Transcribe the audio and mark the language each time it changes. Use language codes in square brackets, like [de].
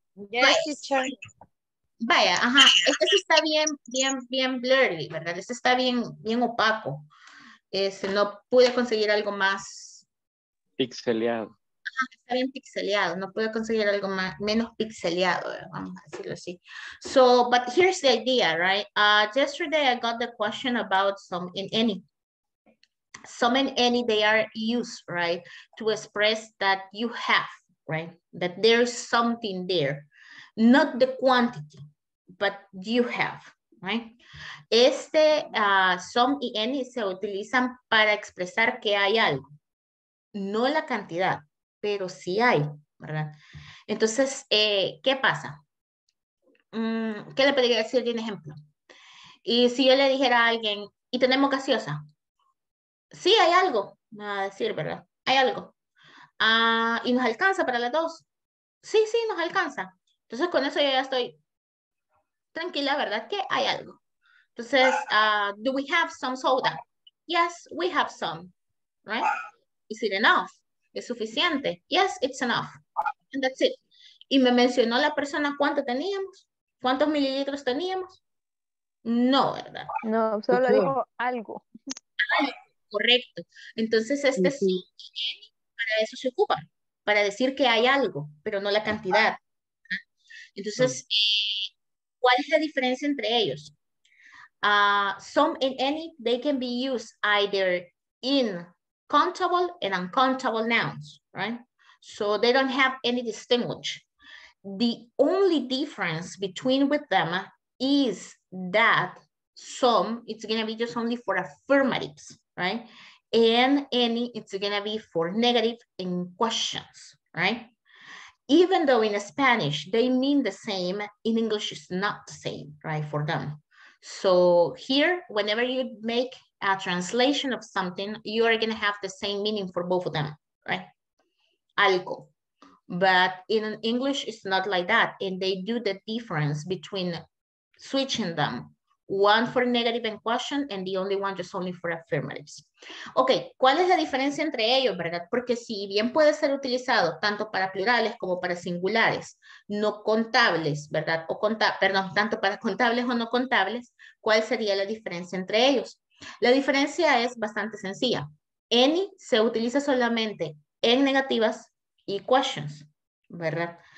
[es] Yes. Vaya, ajá. Este sí está bien blurry, ¿verdad? Este está bien opaco. No pude conseguir algo más. Pixeleado. Ajá, está bien pixeleado. No pude conseguir algo más, menos pixeleado, vamos a decirlo así. [en] So, but here's the idea, right? Yesterday I got the question about some in any. Some and any, they are used, right, to express that you have, right, that there is something there, not the quantity, but you have, right? [es] Este, some y any se utilizan para expresar que hay algo, no la cantidad, pero sí hay, ¿verdad? Entonces, ¿qué pasa? ¿Qué le podría decir de un ejemplo? Y si yo le dijera a alguien, y tenemos gaseosa, sí, hay algo, me va a decir, ¿verdad? Hay algo. ¿Y nos alcanza para las dos? Sí, sí, nos alcanza. Entonces, con eso yo ya estoy tranquila, ¿verdad? Que hay algo. Entonces, [en] do we have some soda? Yes, we have some. Right? Is it enough? [es] ¿Es suficiente? [en] Yes, it's enough. And that's it. [es] ¿Y me mencionó la persona cuánto teníamos? ¿Cuántos mililitros teníamos? No, ¿verdad? No, solo dijo algo. Correcto. Entonces, este sí, para eso se ocupa, para decir que hay algo, pero no la cantidad. Entonces, ¿cuál es la diferencia entre ellos? [en] Some and any, they can be used either in countable and uncountable nouns, right? So they don't have any distinguish. The only difference between with them is that some, it's going to be just only for affirmatives. Right, and any, it's gonna be for negative in questions, right? Even though in Spanish they mean the same, in English it's not the same, right, for them. So here, whenever you make a translation of something, you are gonna have the same meaning for both of them, right? Algo. But in English it's not like that, and they do the difference between switching them. One for negative and question, and the only one just only for affirmatives. [es] Ok, ¿cuál es la diferencia entre ellos, verdad? Porque si bien puede ser utilizado tanto para plurales como para singulares, no contables, ¿verdad? O perdón, tanto para contables o no contables, ¿cuál sería la diferencia entre ellos? La diferencia es bastante sencilla. Any se utiliza solamente en negativas y questions, ¿verdad?